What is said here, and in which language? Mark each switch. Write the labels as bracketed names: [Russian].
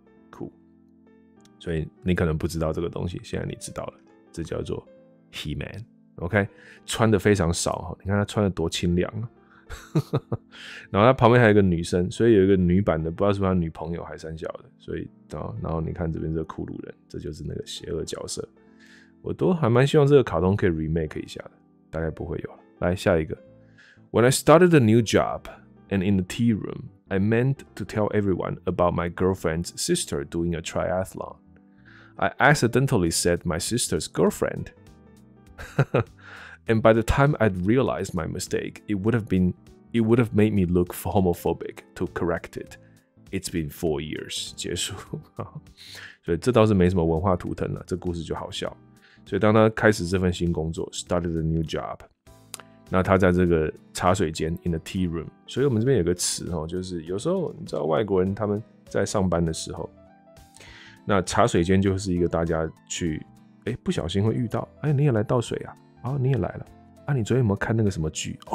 [Chinese] Cool， 所以你可能不知道这个东西，现在你知道了，这叫做He-Man， OK， 穿的非常少，你看他穿的多清凉。然后他旁边还有一个女生，所以有一个女版的，不知道是不是他女朋友还三小的，所以然后你看这边这个骷髅人，这就是那个邪恶角色。我都还蛮希望这个卡通可以 remake 一下的，大概不会有了。 [English] 来下一个 ，When I started a new job and in the tea room, I meant to tell everyone about my girlfriend's sister doing a triathlon. I accidentally said my sister's girlfriend. And by the time I'd realized my mistake, it would have made me look homophobic to correct it. It's been 4 years. [Chinese] 结束。所以这倒是没什么文化图腾了，这故事就好笑。所以当他开始这份新工作 ， [English] started a new job， [Chinese] 那他在这个茶水间 [English] in the tea room。 [Chinese] 所以我们这边有个词哦，就是有时候你知道外国人他们在上班的时候，那茶水间就是一个大家去，不小心会遇到，你也来倒水啊，你也来了，你昨天有没有看那个什么剧？